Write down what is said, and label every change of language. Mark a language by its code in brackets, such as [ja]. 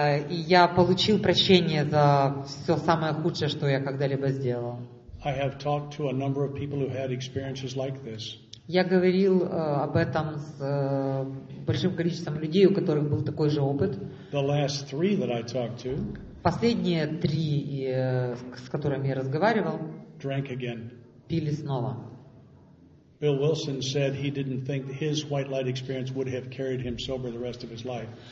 [ru] И я получил прощение за все самое худшее, что я когда-либо сделал. [en] I have talked to a number of people who had experiences like this. [ru] Я говорил об этом с большим количеством людей, у которых был такой же опыт. [en] The last three that I talked to, [ru] последние три, с которыми я разговаривал, [en] drank again. [ru] Пили снова. [en] Bill Wilson said he didn't think his white light experience would have carried him sober the rest of his life.